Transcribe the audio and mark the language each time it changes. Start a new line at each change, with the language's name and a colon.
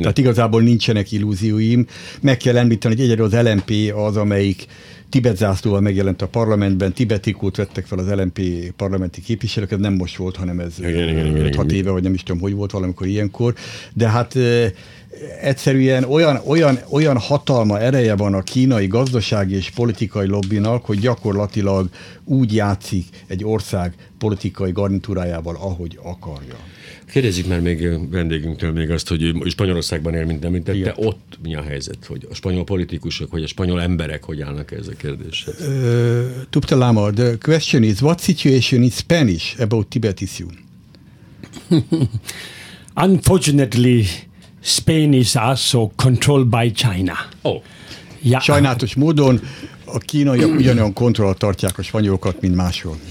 Hungarian: Tehát igazából nincsenek illúzióim. Meg kell említeni, hogy egyedül az LMP az, amelyik Tibet zászlóval megjelent a parlamentben, tibetikót vettek fel az LMP parlamenti képviselők, ez nem most volt, hanem ez 5-6 éve, vagy nem is tudom, hogy volt valamikor ilyenkor, de hát egyszerűen olyan hatalma ereje van a kínai gazdasági és politikai lobbinak, hogy gyakorlatilag úgy játszik egy ország politikai garnitúrájával, ahogy akarja. Kérdezzük már még vendégünktől még azt, hogy Spanyolországban él, mint említette, de ott mi a helyzet, hogy a spanyol politikusok, vagy a spanyol emberek hogy állnak ez a kérdéshez?
English: Tupta Lama, the question is, what situation is Spanish about Tibet issue? Unfortunately, Spain is also controlled by China.
Hungarian: Sajnálatos módon a kínaiak ugyanolyan kontrollal tartják a spanyolokat, mint máshol.